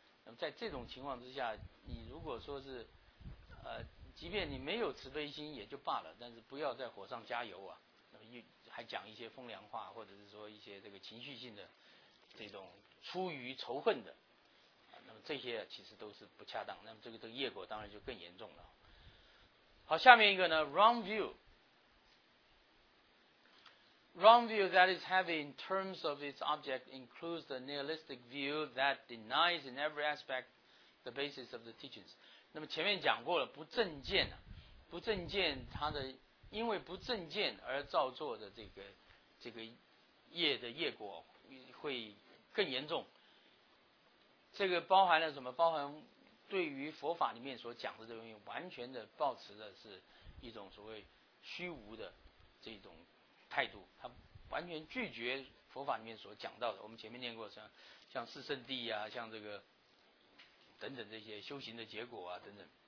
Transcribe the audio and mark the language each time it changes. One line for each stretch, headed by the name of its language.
Chinese: 那么在这种情况之下，你如果说是即便你没有慈悲心也就罢了，但是不要再火上加油啊，还讲一些风凉话，或者是说一些这个情绪性的这种出于仇恨的，啊，那么这些其实都是不恰当，那么这个业果当然就更严重了。好，下面一个呢，
English: wrong view that is heavy in terms of its object includes the nihilistic view that denies in every aspect the basis of the teachings。
Chinese: 那么前面讲过了，不正见它的因为不正见而造作的这个业的业果会更严重，这个包含了什么？包含对于佛法里面所讲的这东西完全的抱持的是一种所谓虚无的这种态度，他完全拒绝佛法里面所讲到的，我们前面念过像四圣谛啊，像这个等等这些修行的结果啊等等。